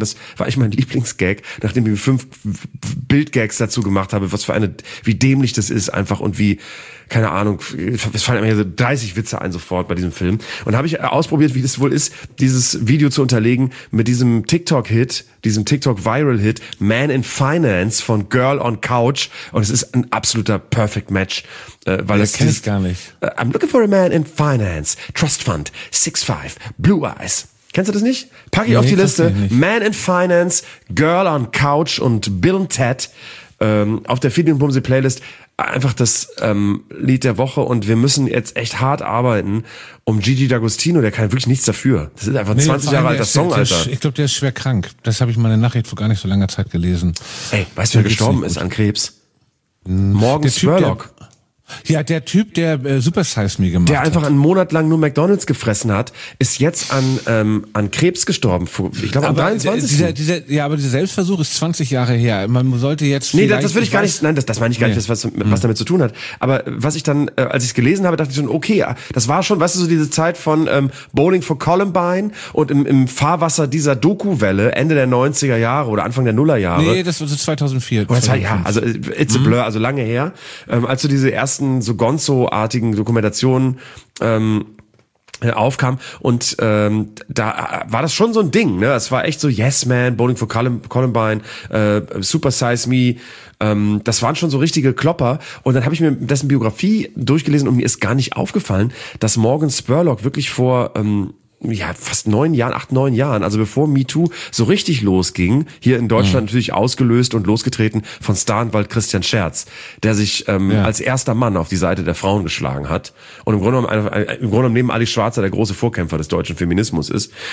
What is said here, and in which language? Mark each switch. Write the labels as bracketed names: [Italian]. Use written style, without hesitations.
[German] Das war echt mein Lieblingsgag, nachdem ich 5 Bildgags dazu gemacht habe, wie dämlich das ist einfach und wie, keine Ahnung, es fallen mir so 30 Witze ein sofort bei diesem Film. Und habe ich ausprobiert, wie das wohl ist, dieses Video zu unterlegen mit diesem TikTok-Hit, diesem TikTok-Viral-Hit, Man in Finance von Girl on Couch. Und es ist ein absoluter Perfect Match. Weil das kenne ich gar nicht. [English] I'm looking for a man in finance, trust fund, 6'5", blue eyes. [German] Kennst du das nicht? Pack ich auf die Liste. Man in finance, Girl on Couch und Bill and Ted auf der Feeding Bumsy Playlist. Einfach das Lied der Woche und wir müssen jetzt echt hart arbeiten, um Gigi D'Agostino, der kann wirklich nichts dafür. Das ist einfach 20 Jahre alter Song, Alter. Ich glaube, der ist schwer krank. Das habe ich mal in der Nachricht vor gar nicht so langer Zeit gelesen. Ey, weißt du, wer gestorben ist an Krebs? Morgan Spurlock. Ja, der Typ, der Super Size Me gemacht hat. Der einfach einen Monat lang nur McDonald's gefressen hat, ist jetzt an Krebs gestorben. Ich glaube am 23. Aber dieser Selbstversuch ist 20 Jahre her. Man sollte jetzt vielleicht... Nee, das würde ich gar nicht... Nein, das meine ich gar nicht, was damit zu tun hat. Aber was ich dann, als ich es gelesen habe, dachte ich schon, okay, das war schon, weißt du, so diese Zeit von Bowling for Columbine und im Fahrwasser dieser Doku-Welle Ende der 90er Jahre oder Anfang der Nullerjahre. Nee, das war so 2004. Oder 2005. Ja, also [English] it's a blur, [German] also lange her. Als du diese ersten so Gonzo-artigen Dokumentationen aufkam und da war das schon so ein Ding, ne? Es war echt so Yes Man, Bowling for Columbine, Super Size Me, das waren schon so richtige Klopper und dann habe ich mir dessen Biografie durchgelesen und mir ist gar nicht aufgefallen, dass Morgan Spurlock wirklich vor acht, neun Jahren, also bevor MeToo so richtig losging, hier in Deutschland natürlich ausgelöst und losgetreten von Staranwalt Christian Scherz, der sich als erster Mann auf die Seite der Frauen geschlagen hat und im Grunde genommen neben Ali Schwarzer der große Vorkämpfer des deutschen Feminismus ist.